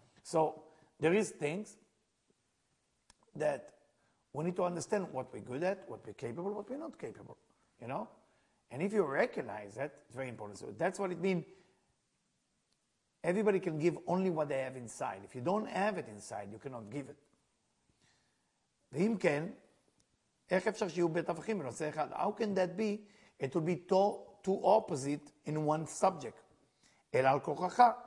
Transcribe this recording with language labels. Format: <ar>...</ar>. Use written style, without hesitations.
<en>So there is things that we need to understand what we're good at, what we're capable, what we're not capable, you know? And if you recognize that, it's very important. So that's what it means. Everybody can give only what they have inside. If you don't have it inside, you cannot give it.</en> <he>V'im ken, איך אפשר שיהיו בתווכים בנושא אחד?</he> <en>How can that be? It will be two opposite in one subject.</en> <he>אל על כוחך.</he>